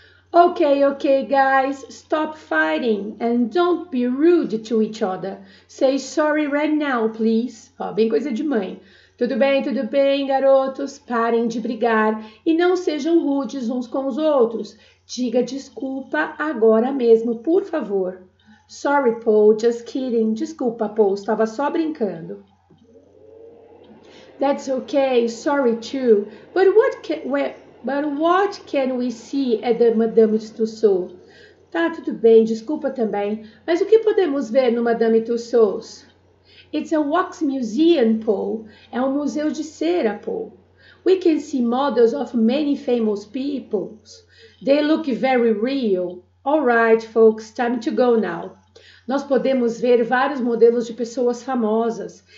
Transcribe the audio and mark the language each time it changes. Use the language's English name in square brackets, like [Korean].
[English] Ok, guys, stop fighting and don't be rude to each other. Say sorry right now, please. [Portuguese] Ó, bem coisa de mãe. Tudo bem, garotos, parem de brigar e não sejam rudes uns com os outros. Diga desculpa agora mesmo, por favor. [English] Sorry, Paul, just kidding. [Portuguese] Desculpa, Paul, estava só brincando. [English] That's okay, sorry too. But what can we see at the Madame Tussauds? [Portuguese] Tá tudo bem, desculpa também. Mas o que podemos ver no Madame Tussauds? [English] It's a wax museum, Paul. [Portuguese] É um museu de cera, Paul. [English] We can see models of many famous people. They look very real. All right, folks, time to go now. [Portuguese] Nós podemos ver vários modelos de pessoas famosas.